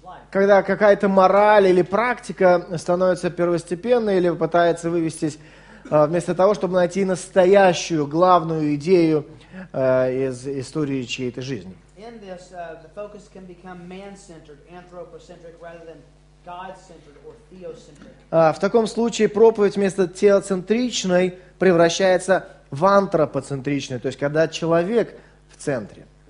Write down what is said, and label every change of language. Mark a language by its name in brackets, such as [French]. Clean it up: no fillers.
[Russian] Когда какая-то мораль или практика становится первостепенной или пытается вывестись вместо того, чтобы найти настоящую главную идею из истории чьей-то жизни. [English] In this, the focus can become man-centered, anthropocentric, rather than God-centered or theocentric. [Russian] В таком случае проповедь вместо теоцентричной превращается в антропоцентричную, то есть когда человек в центре.